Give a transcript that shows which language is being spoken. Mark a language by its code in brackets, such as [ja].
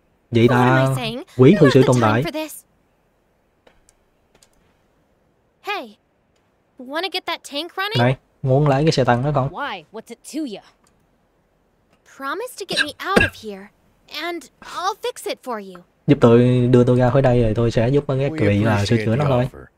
[vi] Vậy ta quỷ thực sự tồn tại. [en] Hey, wanna get that tank running? [vi] Này, muốn lái cái xe tăng đó con. [en] Why? What's it to you? Promise to get me out of here, and I'll fix it for you. [vi] Giúp tôi, đưa tôi ra khỏi đây rồi tôi sẽ giúp mấy ác quỷ là sửa chữa nó thôi.